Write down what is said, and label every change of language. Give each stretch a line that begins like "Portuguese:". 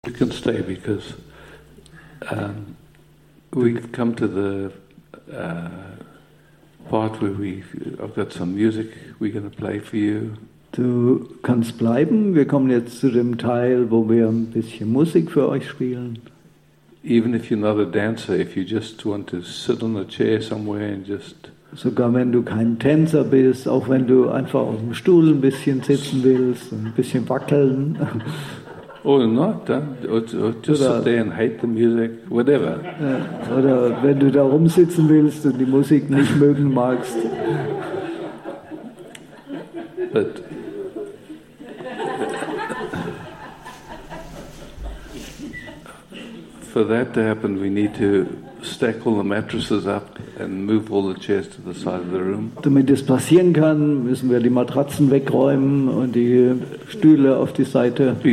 English: Stay because we've come to the part where I've got some music we're going to play for you.
German: Du kannst bleiben. Wir kommen jetzt zu dem Teil, wo wir ein bisschen Musik für euch spielen.
English: Even if you're not a dancer, if you just want to sit on a chair somewhere and just.
German: Sogar wenn du kein Tänzer bist, auch wenn du einfach auf dem Stuhl ein bisschen sitzen willst und ein bisschen wackeln.
English: Or not, or just oder, sit there and hate the music, whatever.
German: Ja, oder wenn du da rumsitzen willst und die Musik nicht mögen magst.
English: But for that to happen, we need to stack all the mattresses up and move all the chairs to the side of the room.
German: Damit das passieren kann, müssen wir die Matratzen wegräumen und die Stühle auf die Seite.